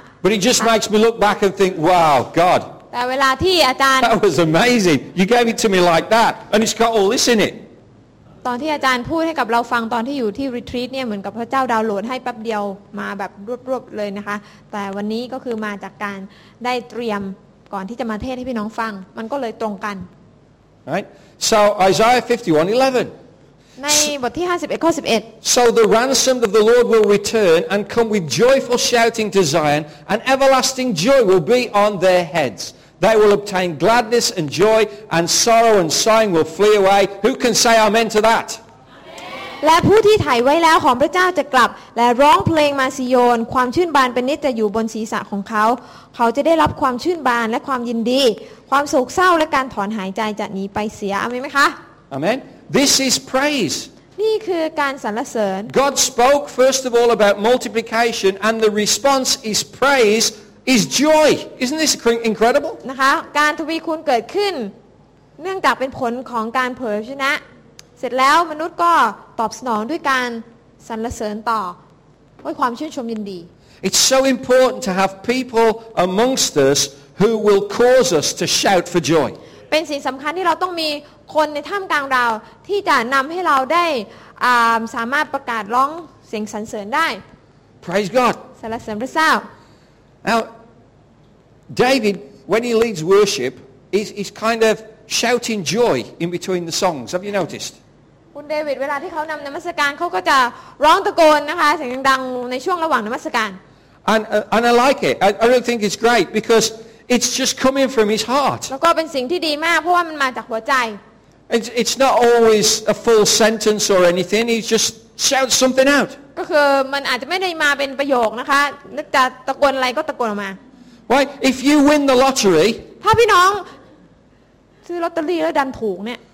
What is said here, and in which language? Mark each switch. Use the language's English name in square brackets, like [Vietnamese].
[English] But it just makes me look back and think, wow, God. [Thai] แต่เวลาที่อาจารย์ [English] That was amazing. You gave it to me like that, and it's got all this in it. [Thai] ตอนที่อาจารย์พูดให้กับเราฟังตอนที่อยู่ที่รีทรีทเนี่ยเหมือนกับพระเจ้าดาวน์โหลดให้แป๊บเดียวมาแบบรวบๆเลยนะคะแต่วันนี้ก็คือมาจากการได้เตรียมก่อนที่จะมาเทศให้พี่น้องฟังมันก็เลยตรงกัน [English] Right So Isaiah 51:11 [Thai] ในบทที่51ข้อ11 [English] So the ransomed of the Lord will return and come with joyful shouting to Zion and everlasting joy will be on their headsThey will obtain gladness and joy, and sorrow and sighing will flee away. Who can say amen to that? [Thai] และผู้ที่ไถ่ไว้แล้วของพระเจ้าจะกลับและร้องเพลงมาซิโยนความชื่นบานเป็นนิจจะอยู่บนศีรษะของเขาเขาจะได้รับความชื่นบานและความยินดีความโศกเศร้าและการถอนหายใจจะหนีไปเสียอาเมนไหมคะ [English] Amen. This is praise. [Thai] นี่คือการสรรเสริญ [English] God spoke first of all about multiplication, and the response is praise. Is joy? Isn't this incredible? [Thai] นะคะการทวีคูณเกิดขึ้นเนื่องจากเป็นผลของการเผยพระชนะเสร็จแล้วมนุษย์ก็ตอบสนองด้วยการสรรเสริญต่อด้วยความชื่นชมยินดี [English] It's so important to have people amongst us who will cause us to shout for joy. [Thai] เป็นสิ่งสำคัญที่เราต้องมีคนในท่ามกลางเราที่จะนำให้เราได้สามารถประกาศร้องเสียงสรรเสริญได้ [English] Praise God. [Thai] สรรเสริญพระเจ้า [English] Now, David, when he leads worship, he's kind of shouting joy in between the songs. Have you noticed? [Thai] คุณเดวิดเวลาที่เขานำนมัสการเขาก็จะร้องตะโกนนะคะเสียงดังในช่วงระหว่างนมัสการ [English] and I like it I really think it's great because it's just coming from his heart [Thai] แล้วก็เป็นสิ่งที่ดีมากเพราะว่ามันมาจากหัวใจ [English] it's not always a full sentence or anything he just shouts something out [Thai] ก็คือมันอาจจะไม่ได้มาเป็นประโยคนะคะนึกจะตะโกนอะไรก็ตะโกนออกมา [English] why if you win the lottery [Thai] ถ้าพี่น้องซื้อลอตเตอรี่แล้วดันถูกเนี่ย